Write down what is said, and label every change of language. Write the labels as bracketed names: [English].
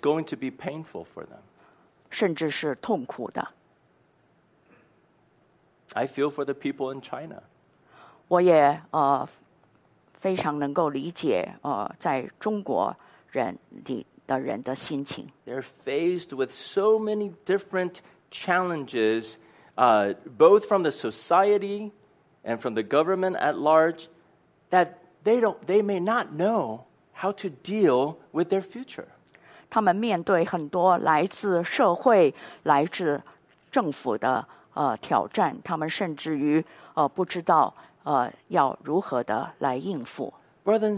[English] going to be painful for them. [Chinese] 甚至是痛苦的。 [English] I feel for the people in China. [Chinese] 我也非常能够理解在中国人的心情。 [English] They're faced with so many different challenges, both from the society and from the government at large, that they may not know how to deal with their future. [Chinese] 他们面对很多来自社会、来自政府的 挑战，他们甚至于不知道要如何的来应付。Brothers